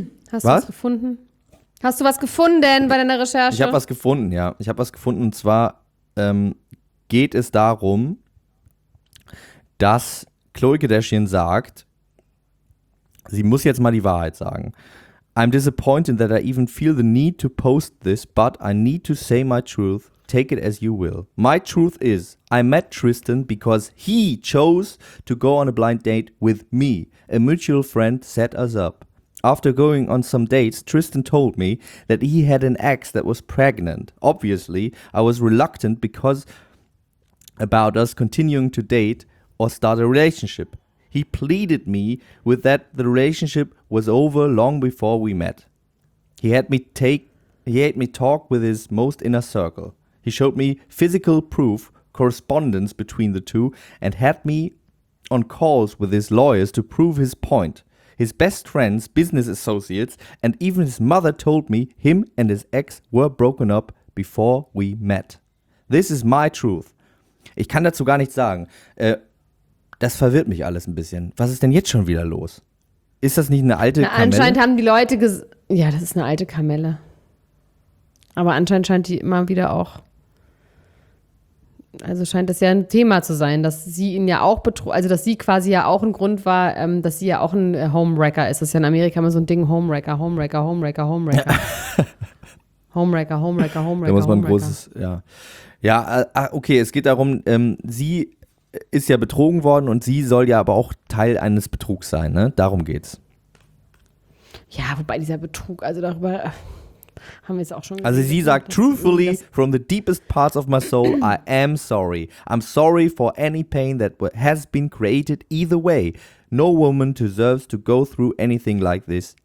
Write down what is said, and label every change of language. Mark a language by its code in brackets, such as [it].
[de] Hast du was gefunden? Hast du was gefunden bei deiner Recherche? Ich habe was gefunden, ja. Ich habe was gefunden und zwar geht es darum, dass Khloe Kardashian sagt, sie muss jetzt mal die Wahrheit sagen. [en] I'm disappointed that I even feel the need to post this, but I need to say my truth. Take it as you will. My truth is, I met Tristan because he chose to go on a blind date with me. A mutual friend set us up. After going on some dates, Tristan told me that he had an ex that was pregnant. Obviously, I was reluctant because about us continuing to date or start a relationship. He pleaded me with that the relationship was over long before we met. He had me talk with his most inner circle. He showed me physical proof, correspondence between the two, and had me on calls with his lawyers to prove his point. His best friends, business associates, and even his mother told me him and his ex were broken up before we met. This is my truth. [de] Ich kann dazu gar nichts sagen. Das verwirrt mich alles ein bisschen. Was ist denn jetzt schon wieder los? Ist das nicht eine alte Kamelle? Anscheinend haben die Leute ja, das ist eine alte Kamelle. Aber anscheinend scheint die immer wieder auch. Also scheint das ja ein Thema zu sein, dass sie ihn ja auch betrug, also dass sie quasi ja auch ein Grund war, dass sie ja auch ein Homewrecker ist. Das ist ja in Amerika immer so ein Ding, Homewrecker, Homewrecker, Homewrecker, Homewrecker. Ja. Homewrecker, Homewrecker, Homewrecker, da muss man ein großes, ja. Ja, okay, es geht darum, sie ist ja betrogen worden und sie soll ja aber auch Teil eines Betrugs sein, ne? Darum geht's. Ja, wobei dieser Betrug, also darüber haben wir es auch schon gesehen. Also sie sagt, [en] truthfully, from the deepest parts of my soul, I am sorry. I'm sorry for any pain that has been created either way. No woman deserves to go through anything like this.